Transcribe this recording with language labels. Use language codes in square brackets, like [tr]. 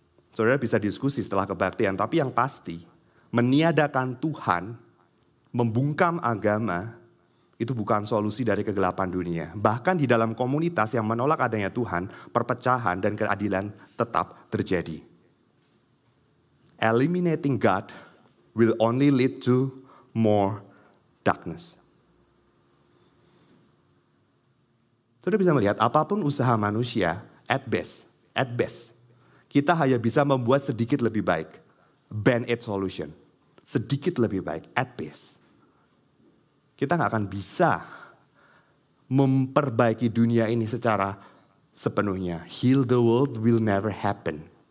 [id] Saudara bisa diskusi setelah kebaktian, tapi yang pasti meniadakan Tuhan, membungkam agama, itu bukan solusi dari kegelapan dunia. Bahkan di dalam komunitas yang menolak adanya Tuhan, perpecahan dan keadilan tetap terjadi. [en] Eliminating God will only lead to more darkness. [id] Saudara bisa melihat, apapun usaha manusia, [en] at best, [id] kita hanya bisa membuat sedikit lebih baik. [en] Band-aid solution. [id] Sedikit lebih baik, [en] at best. [id] Kita gak akan bisa memperbaiki dunia ini secara sepenuhnya. [en] Heal the world will never happen.